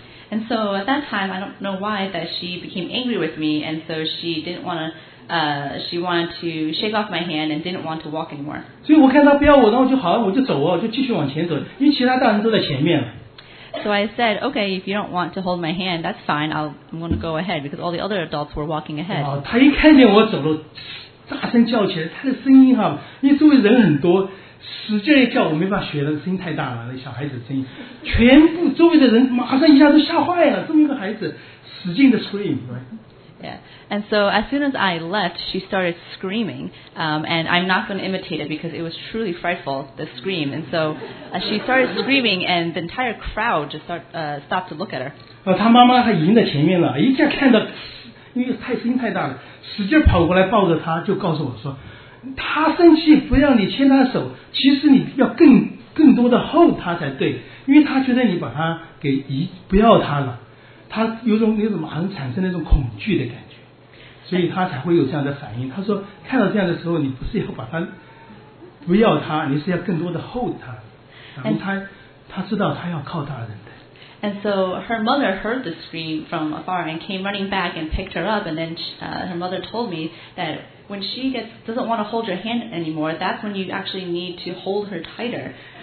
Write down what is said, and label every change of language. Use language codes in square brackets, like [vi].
[en] And so at that time, I don't know why that she became angry with me, and so she didn't want to. She wanted to shake off my hand and didn't want to walk anymore. [zh] 所以我看他不要我，然后就好，我就走啊，就继续往前走，因为其他大人都在前面了。 [en] So I said, okay, if you don't want to hold my hand, that's fine. I'm going to go ahead because all the other adults were walking ahead. [zh] 他一看见我走了，大声叫起来，他的声音哈，因为周围人很多，使劲一叫，我没办法学了，声音太大了，那小孩子声音，全部周围的人马上一下都吓坏了，这么一个孩子，使劲的 [en] scream, right? Yeah. And so as soon as I left, she started screaming, and I'm not going to imitate it because it was truly frightful, the scream. And so she started screaming, and the entire crowd just stopped to look at her. [zh] 她妈妈还迎在前面了，一下看到，因为太声音太大了，使劲跑过来抱着她，就告诉我说，她生气不让你牵她手，其实你要更多的 hold 她才对，因为她觉得你把她给不要她了。他有种那种马上产生那种恐惧的感觉，所以他才会有这样的反应。他说看到这样的时候，你不是要把他不要他，你是要更多的 hold 他，然后他知道他要靠大人的。 [en] And so her mother heard the scream from afar and came running back and picked her up. And then her mother told me that when she doesn't want to hold your hand anymore, that's when you actually need to hold her tighter.